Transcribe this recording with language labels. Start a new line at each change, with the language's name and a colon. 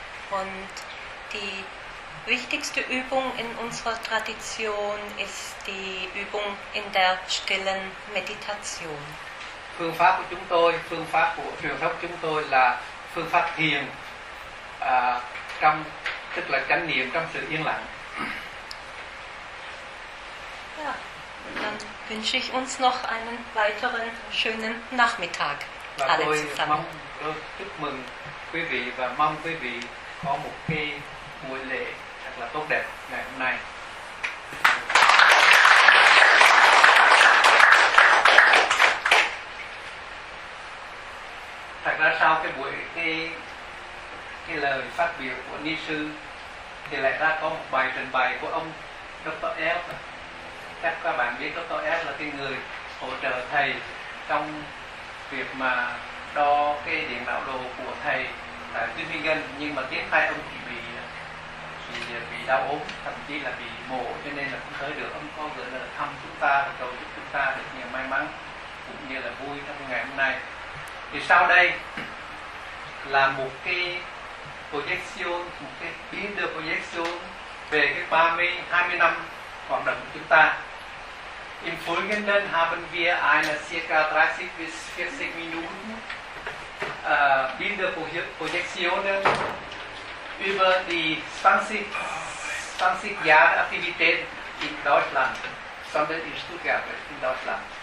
German: Und die wichtigste Übung in unserer Tradition ist die Übung in der stillen Meditation.
Vietnamese: Phương pháp của chúng tôi, phương pháp của truyền thống chúng tôi là phương pháp thiền, trong tức là chánh niệm trong sự yên lặng.
German: Ja, dann wünsche ich uns noch einen weiteren schönen Nachmittag.
Vietnamese: Và
German: alle
Vietnamese: tôi
German: zusammen.
Vietnamese: Mong chúc mừng quý vị và mong quý vị có một cái buổi lễ thật là tốt đẹp ngày hôm nay. Thật ra sau cái buổi cái lời phát biểu của ni sư thì lại ra có một bài trình bày của ông Dr. F. Chắc các bạn biết Dr. F là cái người hỗ trợ thầy trong việc mà đo cái điện não đồ của thầy tại Tübingen, nhưng mà tiếc thay ông bị đau ốm, thậm chí là bị mổ, cho nên là không tới được. Ông có gửi lời thăm chúng ta và cầu chúc chúng ta được nhiều may mắn cũng như là vui trong ngày hôm nay. Thì sau đây là một cái projection, một cái biến đưa projection về cái 30 năm hoạt động của chúng ta.
German: Im Folgenden haben wir eine circa 30 bis 40 Minuten Bilderprojektionen über die 20 Jahre Aktivität in Deutschland, sondern in Stuttgart, in Deutschland.